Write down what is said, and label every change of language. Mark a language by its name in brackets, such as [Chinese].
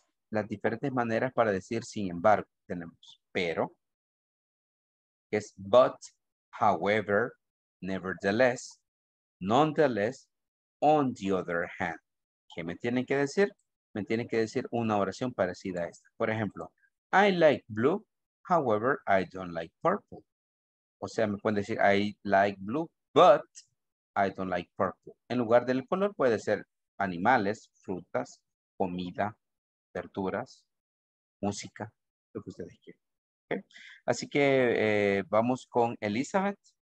[Spanish] Las diferentes maneras para decir sin embargo tenemos, pero, que es [English] but, however, nevertheless, nonetheless, on the other hand. [Spanish] ¿Qué me tienen que decir? Me tienen que decir una oración parecida a esta. Por ejemplo, [English] I like blue, however, I don't like purple. [Spanish] O sea, me pueden decir [English] I like blue, but I don't like purple. [Spanish] En lugar del color puede ser animales, frutas, comida, verduras, música, lo que ustedes quieran. ¿Okay? Así que vamos con Elizabeth.